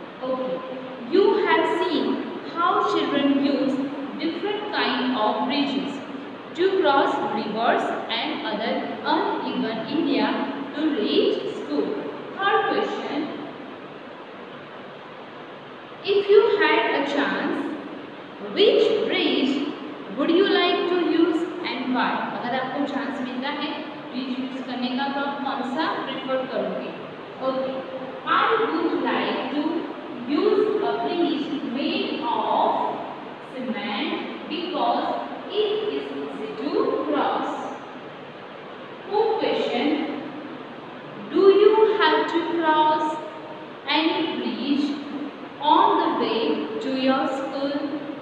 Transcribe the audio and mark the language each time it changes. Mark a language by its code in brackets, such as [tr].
[en] Okay, you have seen how children use different kind of bridges to cross rivers and other uneven area to reach school. Third question, if you had a chance, which bridge would you like to use and why? [hi] अगर आपको chance मिलता है bridge use करने का तो आप कौन सा प्रिफर करोगे? [en] Okay, I would like to use a bridge made of cement because it is easy to cross. Fourth question, do you have to cross any bridge on the way to your school?